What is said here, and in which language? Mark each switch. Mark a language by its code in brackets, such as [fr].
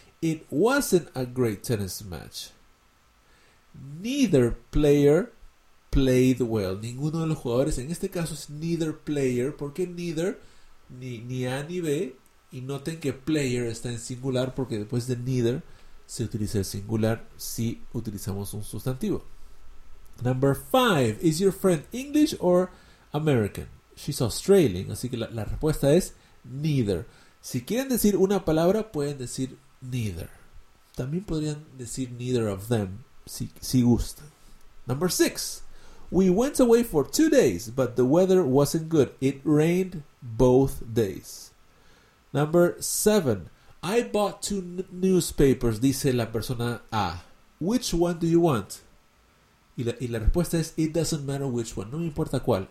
[en] It wasn't a great tennis match. Neither player played well. [es] Ninguno de los jugadores, en este caso es neither player, porque neither, ni A ni B, y noten que player está en singular, porque después de neither se utiliza el singular si utilizamos un sustantivo. [en] Number five, is your friend English or American? She's Australian, [es] así que la respuesta es neither. Si quieren decir una palabra, pueden decir neither. También podrían decir neither of them, si gustan. [en] Number six, we went away for 2 days, but the weather wasn't good. It rained both days. Number seven, I bought two newspapers, [es] dice la persona A. [en] Which one do you want? [es] Y la respuesta es, [en] it doesn't matter which one, [es] no me importa cuál.